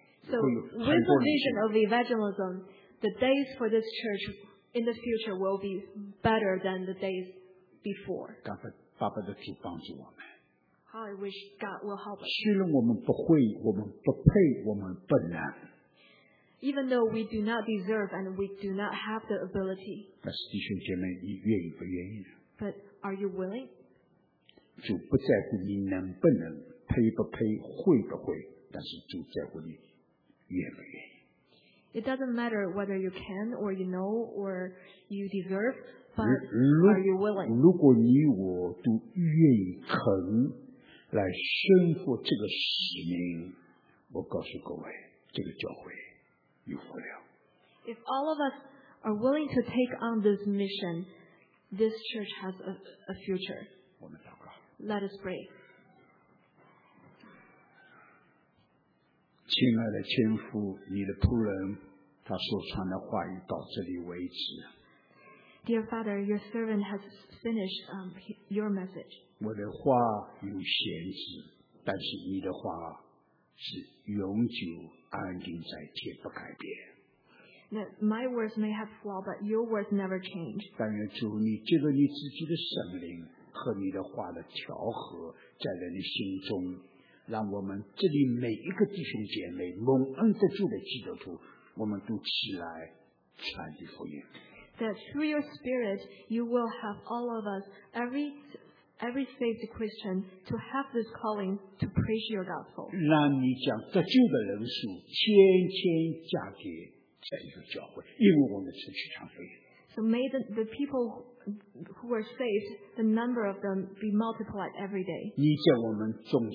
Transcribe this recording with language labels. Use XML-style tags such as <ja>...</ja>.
<en>So with the vision of evangelism, the days for this church in the future will be better than the days before. How I wish God will help us.</en> <zh>虽然我们不会，我们不配，我们不能。</zh> <en>Even though we do not deserve and we do not have the ability.</en> <zh>但是弟兄姐妹，你愿意不愿意？</zh> <en>But are you willing?</en> <zh>主不在乎你能不能。配不配，会不会，但是主在乎你愿不愿意。</zh> <en>It doesn't matter whether you can or you know or you deserve, but are you willing?</en> <zh>如果你我都愿意肯来身负这个使命，我告诉各位，这个教会有福了。</zh> <en>If all of us are willing to take on this mission, this church has a future.</en> <zh>我们祷告。</zh> <en>Let us pray.</en> <zh>亲爱的天父，你的仆人他所传的话语到这里为止。</zh> <en>Dear Father, your servant has finished your message.</en> <zh>我的话有限制，但是你的话是永久安定在天，不改变。</zh> <en>Now, my words may have flaw, but your words never change.</en> <zh>但愿主你借着你自己的圣灵和你的话的调和，在人的心中。让我们这里每一个弟兄姐妹蒙恩得救的基督徒，我们都起来传递福音。</zh> <en>That through your Spirit, you will have all of us, every saved Christian, to have this calling to preach your gospel.</en> <zh>让你将得救的人数千千加给在这个教会，因为我们是去传福音。</zh> <en>So may the people who are saved, the number of them be multiplied every day.</en>